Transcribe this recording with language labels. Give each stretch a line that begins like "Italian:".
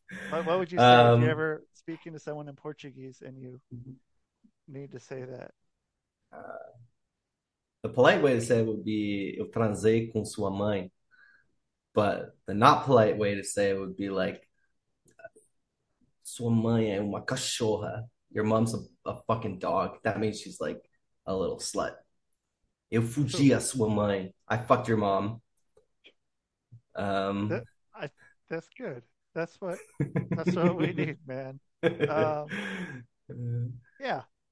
English: What would you say if you're ever speaking to someone in Portuguese and you need to say that? The polite way to say it would be
Portuguese: eu transei com sua mãe,
English: but the not polite way to say it would be like
Portuguese: sua mãe é uma cachorra.
English: Your mom's a fucking dog. That means she's like a little slut.
Portuguese: Eu fugi a sua mãe.
English: I fucked your mom. That's good. That's what we need, man. Yeah.